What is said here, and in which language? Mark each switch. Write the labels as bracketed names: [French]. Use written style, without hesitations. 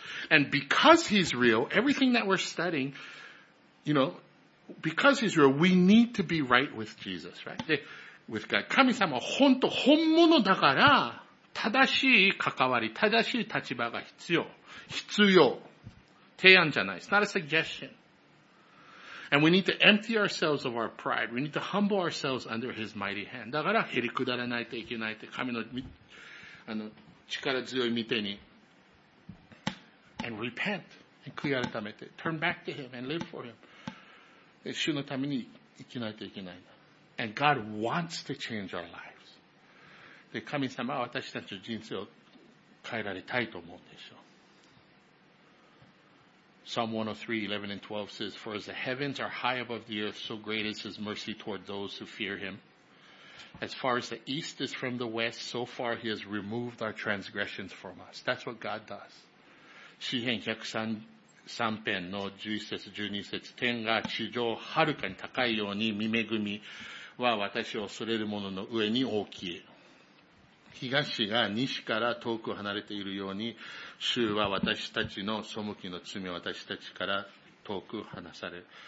[English] And because he's real, everything that we're studying, you know, because he's real, we need to be right with Jesus, right? で、with God. [Japanese] 神様は本当、本物だから、正しい関わり、正しい立場が必要。必要。提案じゃない。 [English] It's not a suggestion. And we need to empty ourselves of our pride. We need to humble ourselves under his mighty hand. [Japanese] だから、へりくだらないといけないって、神の、力強い御手に。 [English] And repent. And [Japanese] 悔い改めて。 [English] Turn back to him and live for him. [Japanese] 主のために生きないといけない。 [English] And God wants to change our lives. [Japanese] で、神様は私たちの人生を変えられたいと思うんでしょう。 [English] Psalm 103, 11 and 12 says, For as the heavens are high above the earth, so great is his mercy toward those who fear him. As far as the east is from the west, so far he has removed our transgressions from us. That's what God does. [Japanese] 詩編103編の11節12節、天が地上はるかに高いように、御恵みは私を恐れる者の上に大きい。東が西から遠く離れているように、主は私たちの背きの罪を私たちから遠く離される。